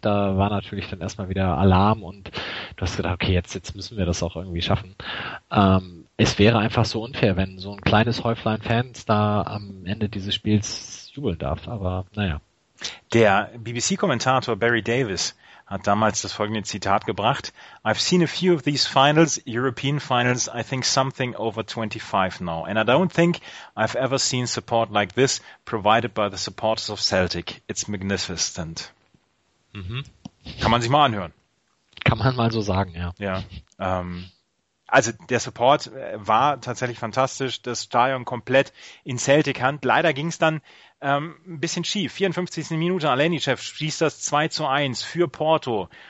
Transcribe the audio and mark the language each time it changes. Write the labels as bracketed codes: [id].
[de] Da war natürlich dann erstmal wieder Alarm und du hast gedacht, okay, jetzt müssen wir das auch irgendwie schaffen. Es wäre einfach so unfair, wenn so ein kleines Häuflein Fans da am Ende dieses Spiels jubeln darf, aber naja. Der BBC-Kommentator Barry Davis hat damals das folgende Zitat gebracht. [en] I've seen a few of these finals, European finals, I think something over 25 now. And I don't think I've ever seen support like this provided by the supporters of Celtic. It's magnificent. Mhm. [de] Kann man sich mal anhören. Kann man mal so sagen, ja. Ja. Also der Support war tatsächlich fantastisch. Das Stadion komplett in Celtic-Hand. Leider ging es dann ein bisschen schief. 54. Minute, Alenichev schießt das 2:1 für Porto.